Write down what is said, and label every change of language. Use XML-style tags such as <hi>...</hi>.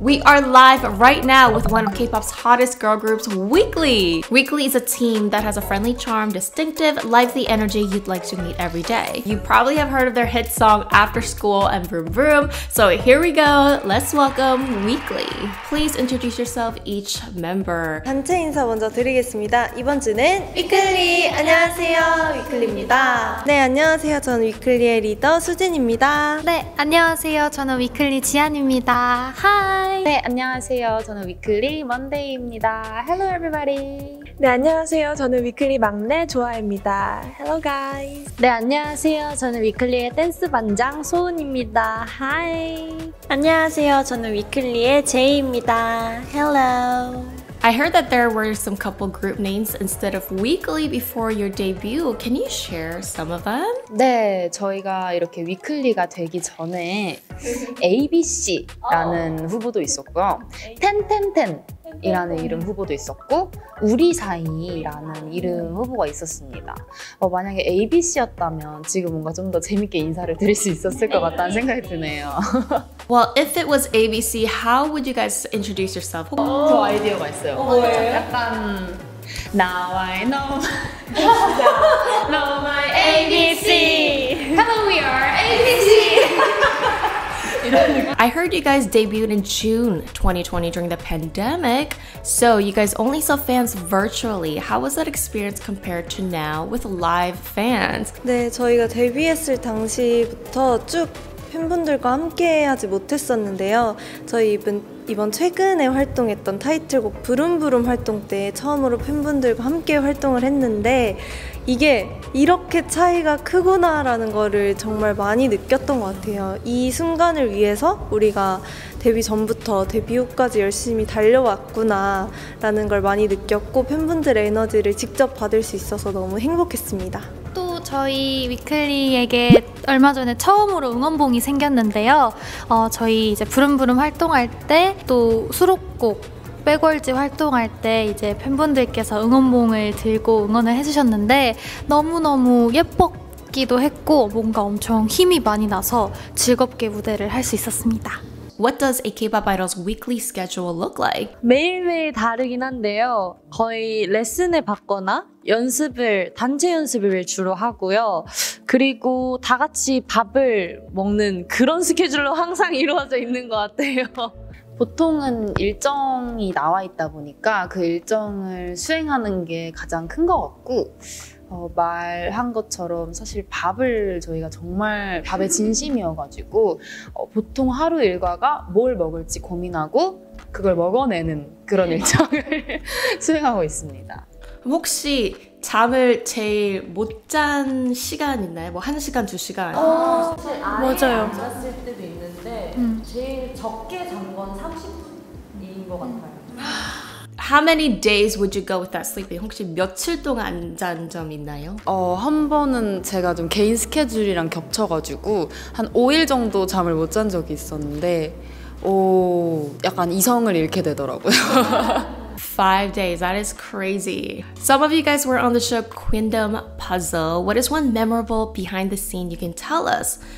<en>We are live right now with one of K-pop's hottest girl groups, Weekly. Weekly is a team that has a friendly charm, distinctive, lively energy you'd like to meet every day. You probably have heard of their hit song After School and Vroom Vroom. So here we go, let's welcome Weekly. Please introduce yourself, each member.</en> <ko>단체 인사 먼저 드리겠습니다. 이번 주는 Weekly, 안녕하세요. Weekly입니다. 네, 안녕하세요. 저는 Weekly의 리더 수진입니다. 네, 안녕하세요. 저는 Weekly 지안입니다.</ko> <en>Hi.</en> <ko>네, 안녕하세요. 저는 Weekly Monday입니다.</ko> <en>Hello, everybody.</en> <ko>네, 안녕하세요. 저는 위클리 막내 조아입니다.</ko> <en>Hello, guys.</en> <ko>네, 안녕하세요. 저는 위클리의 댄스 반장 소은입니다.</ko> <en>Hi.</en> <ko>안녕하세요. 저는 위클리의 제이입니다.</ko> <en>Hello. I heard that there were some couple group names instead of Weekly before your debut. Can you share some of them?</en> <ko>네, 저희가 이렇게 Weekly가 되기 전에 ABC라는 후보도 있었고요. 텐텐텐 이라는 이름 후보도 있었고 우리 사이라는 이름 후보가 있었습니다. 만약에 ABC였다면 지금 뭔가 좀 더 재밌게 인사를 드릴 수 있었을 것 같다는 생각이 드네요.</ko> <en>Well, if it was ABC, how would you guys introduce yourself?</en> <ko>저 아이디어가 있어요. 뭐예요? 약간</ko> <en>Now I know Know my ABC Hello, we are ABC I heard you guys debuted in June 2020 during the pandemic. So you guys only saw fans virtually. How was that experience compared to now with live fans?</en> <ko>네, 저희가 데뷔했을 당시부터 쭉 팬분들과 함께 하지 못했었는데요. 저희 이번 최근에 활동했던 타이틀곡 부룸부룸 활동 때 처음으로 팬분들과 함께 활동을 했는데 이게 이렇게 차이가 크구나라는 거를 정말 많이 느꼈던 것 같아요. 이 순간을 위해서 우리가 데뷔 전부터 데뷔 후까지 열심히 달려왔구나라는 걸 많이 느꼈고 팬분들의 에너지를 직접 받을 수 있어서 너무 행복했습니다. 또 저희 위클리에게 얼마 전에 처음으로 응원봉이 생겼는데요. 저희 이제 부름부름 활동할 때 또 수록곡 백월지 활동할 때 이제 팬분들께서 응원봉을 들고 응원을 해주셨는데 너무너무 예뻤기도 했고 뭔가 엄청 힘이 많이 나서 즐겁게 무대를 할 수 있었습니다.</ko> <en>What does a K-pop idol's weekly schedule look like?</en> <ko>매일매일 다르긴 한데요. 거의 레슨을 받거나 단체 연습을 주로 하고요. 그리고 다 같이 밥을 먹는 그런 스케줄로 항상 이루어져 있는 것 같아요. 보통은 일정이 나와 있다 보니까 그 일정을 수행하는 게 가장 큰 것 같고 말한 것처럼 사실 밥에 진심이어가지고 보통 하루 일과가 뭘 먹을지 고민하고 그걸 먹어내는 그런 일정을 수행하고 있습니다. 혹시 잠을 제일 못 잔 시간 있나요? 뭐 1시간, 2시간? 맞아요. 안 잤을 때도 있는데 제일 적게 잔 건 30분인 것 같아요.</ko> <en>How many days would you go without sleeping?</en> <ko>혹시 며칠 동안 안 잔 점 있나요? 한 번은 제가 좀 개인 스케줄이랑 겹쳐가지고 한 5일 정도 잠을 못 잔 적이 있었는데 약간 이성을 잃게 되더라고요.</ko> <en>5 days, that is crazy. Some of you guys were on the show Kingdom Puzzle. What is one memorable behind the scene you can tell us?</en>